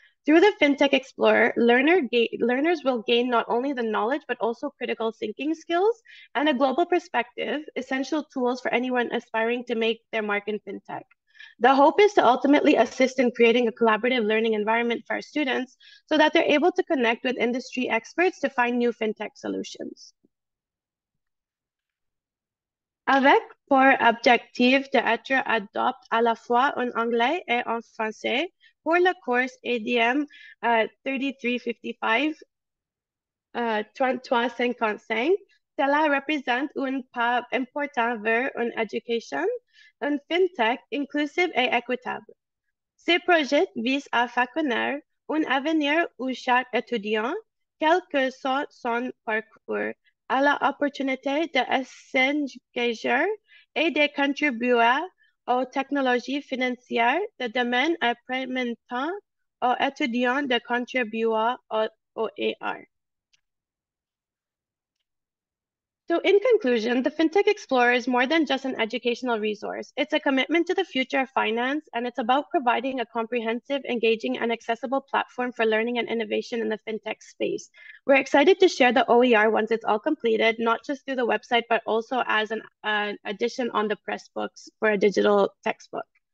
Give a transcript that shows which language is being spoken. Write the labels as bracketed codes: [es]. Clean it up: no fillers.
[en] Through the Fintech Explorer, learners will gain not only the knowledge, but also critical thinking skills and a global perspective, essential tools for anyone aspiring to make their mark in fintech. The hope is to ultimately assist in creating a collaborative learning environment for our students so that they're able to connect with industry experts to find new fintech solutions. [fr] Avec pour objectif d'être adopté à la fois en anglais et en français pour le course ADM 3355-3355, cela représente un pas important vers une éducation, une fintech inclusive et équitable. Ce projet vise à faire connaître un avenir où chaque étudiant, quel que soit son parcours, à l'opportunité de s'engager et de contribuer aux technologies financières de demain en permettant aux étudiants de contribuer au AR. [en] So in conclusion, the FinTech Explorer is more than just an educational resource. It's a commitment to the future of finance, and it's about providing a comprehensive, engaging, and accessible platform for learning and innovation in the FinTech space. We're excited to share the OER once it's all completed, not just through the website, but also as an addition on the press books for a digital textbook.